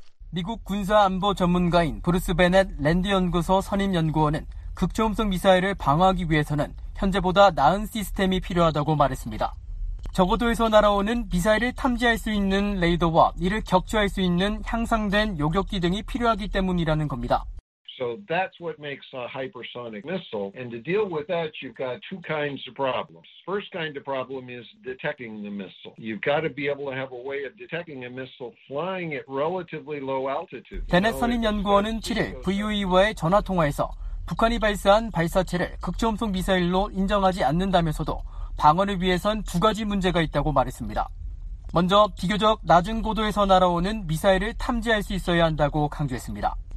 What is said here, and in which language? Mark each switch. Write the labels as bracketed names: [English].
[Korean] 미국 군사안보 전문가인 브루스 베넷 랜드연구소 선임연구원은 극초음속 미사일을 방어하기 위해서는 현재보다 나은 시스템이 필요하다고 말했습니다. 저고도에서 날아오는 미사일을 탐지할 수 있는 레이더와 이를 격추할 수 있는 향상된 요격기 등이 필요하기 때문이라는 겁니다. [English] So that's what makes a hypersonic missile. And to deal with that, you've got two kinds of problems. First kind of problem is detecting the missile. You've got to be able to have a way of detecting a missile flying at relatively low altitude. [Korean] 베넷 선임 연구원은 7일 VOA와의 전화 통화에서 북한이 발사한 발사체를 극초음속 미사일로 인정하지 않는다면서도 방어를 위해선 두 가지 문제가 있다고 말했습니다. 먼저 비교적 낮은 고도에서 날아오는 미사일을 탐지할 수 있어야 한다고 강조했습니다.